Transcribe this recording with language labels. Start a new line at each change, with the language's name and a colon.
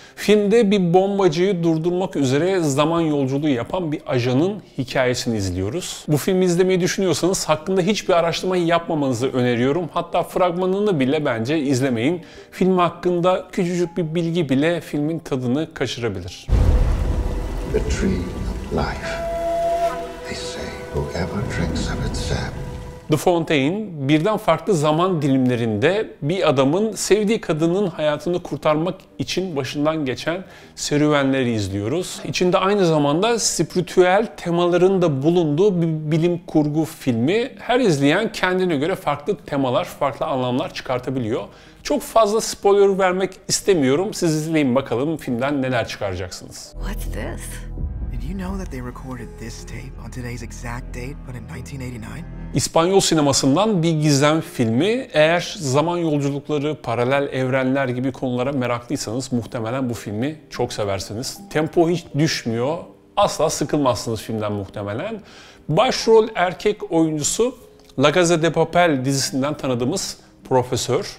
Turkish: Filmde bir bombacıyı durdurmak üzere zaman yolculuğu yapan bir ajanın hikayesini izliyoruz. Bu filmi izlemeyi düşünüyorsanız hakkında hiçbir araştırma yapmamanızı öneriyorum. Hatta fragmanını bile bence izlemeyin. Film hakkında küçücük bir bilgi bile filmin tadını kaçırabilir.
English: The tree of life. They say whoever drinks of its sap.
Turkish: The Fountain, birden farklı zaman dilimlerinde bir adamın sevdiği kadının hayatını kurtarmak için başından geçen serüvenleri izliyoruz. İçinde aynı zamanda spiritüel temaların da bulunduğu bir bilim kurgu filmi. Her izleyen kendine göre farklı temalar, farklı anlamlar çıkartabiliyor. Çok fazla spoiler vermek istemiyorum. Siz izleyin bakalım filmden neler çıkaracaksınız.
English: What's this? Did you know that they recorded this tape on today's exact date, but in 1989?
Turkish: İspanyol sinemasından bir gizem filmi. Eğer zaman yolculukları, paralel evrenler gibi konulara meraklıysanız muhtemelen bu filmi çok seversiniz. Tempo hiç düşmüyor. Asla sıkılmazsınız filmden muhtemelen. Başrol erkek oyuncusu La Casa de Papel dizisinden tanıdığımız Profesör.